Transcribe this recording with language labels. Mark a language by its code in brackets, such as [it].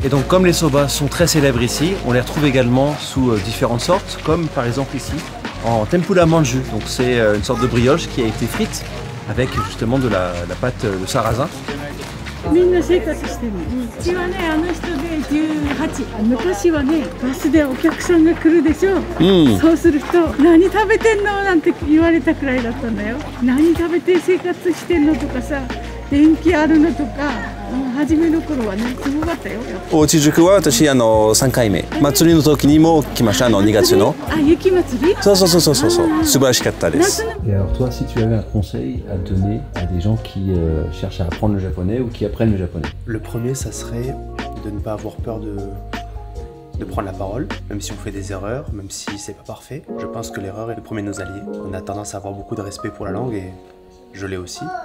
[fr] Et donc comme les soba sont très célèbres ici, on les retrouve également sous différentes sortes, comme par exemple ici en tempura manju. Donc c'est une sorte de brioche qui a été frite avec justement de la pâte de sarrasin. [ja] みんな生活してる。うちはね、あの人で18。昔はね、バスでお客さんが来るでしょ。そうすると、何食べてんのなんて言われたくらいだったんだよ。何食べて生活してんのとかさ、電気あるのとか、初めの頃はね、すごかったよ。おうち塾は私、3回目。祭りの時にも来ました、2月の。あ、雪祭り？そうそうそうそうそう。素晴らしかったです。 [fr] Et alors toi, si tu avais un conseil à donner à des gens qui cherchent à apprendre le japonais ou qui apprennent le japonais ? Le premier, ça serait de ne pas avoir peur de prendre la parole, même si on fait des erreurs, même si c'est pas parfait. Je pense que l'erreur est le premier de nos alliés. On a tendance à avoir beaucoup de respect pour la langue et je l'ai aussi.